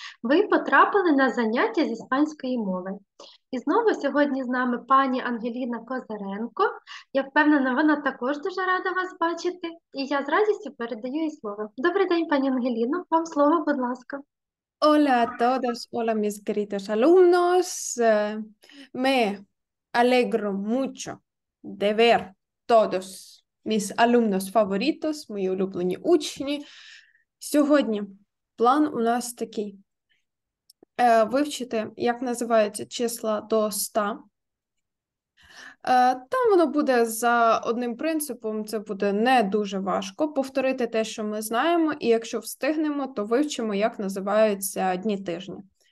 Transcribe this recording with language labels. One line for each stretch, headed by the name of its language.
Ukrainian: Ви потрапили на заняття з іспанської мови. І знову сьогодні з нами пані Ангеліна Козаренко. Я впевнена, вона також дуже рада вас бачити. І я з радістю передаю їй слово. Добрий день, пані Ангеліно, вам слово, будь ласка.
Spanish: Hola a todos, hola mis queridos alumnos. Me alegro mucho de ver todos mis alumnos favoritos,
Ukrainian: мої улюблені учні. Сьогодні план у нас такий. Вивчити, як називаються числа до 100. Там воно буде за одним принципом, це буде не дуже важко повторити те, що ми знаємо, і якщо встигнемо, то вивчимо, як називаються дні тижня.